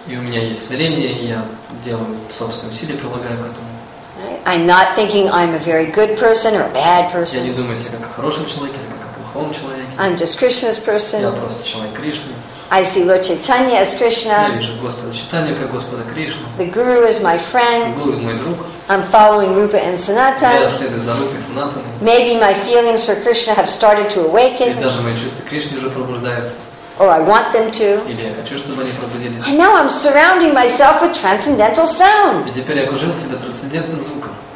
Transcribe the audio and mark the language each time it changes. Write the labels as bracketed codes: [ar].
[ru] И у меня есть смирение, и я делаю собственные усилия, прилагаю к этому. [en] I'm not thinking I'm a very good person or a bad person. [ru] Я не думаю себя как о хорошем человеке. [en] I'm just Krishna's person. [ru] Я просто человек Кришны. [en] I see Lord Chaitanya as Krishna. [ru] Я вижу Господа Чайтанью как Господа Кришну. [en] The Guru is my friend. [ru] Гуру мой друг. [en] I'm following Rupa and Sanatan. [ru] Я следую за Рупой и Санатаной. [en] Maybe my feelings for Krishna have started to awaken. [ru] И даже мои чувства Кришны уже пробуждаются. [en] Or I want them to. [ru] Или я хочу, чтобы они пробудились. [en] And now I'm surrounding myself with transcendental sound. [ru] И теперь я окружил себя трансцендентным звуком.